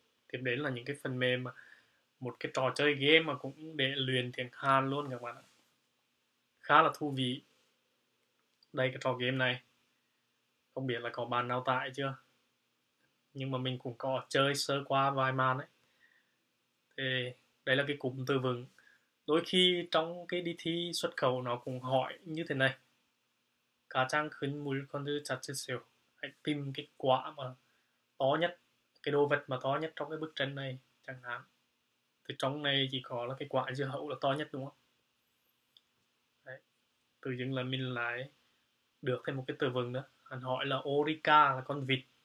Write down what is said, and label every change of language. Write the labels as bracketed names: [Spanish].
[Vietnamese] Tiếp đến là những cái phần mềm mà một cái trò chơi game mà cũng để luyện tiếng Hàn luôn các bạn ạ. Khá là thú vị. Đây cái trò game này. Không biết là có bạn nào tại chưa. Nhưng mà mình cũng có chơi sơ qua vài màn ấy. Thì đây là cái cụm từ vựng. Đôi khi trong cái đi thi xuất khẩu nó cũng hỏi như thế này. [Korean] 가장 큰 물건을 찾으세요. [Vietnamese] Hãy tìm cái quả mà to nhất, cái đồ vật mà to nhất trong cái bức tranh này chẳng hạn. Thì trong này chỉ có là cái quả dưa hấu là to nhất đúng không? Tự dưng là mình lại được thêm một cái từ vựng nữa. Hắn hỏi là Orica là con vịt.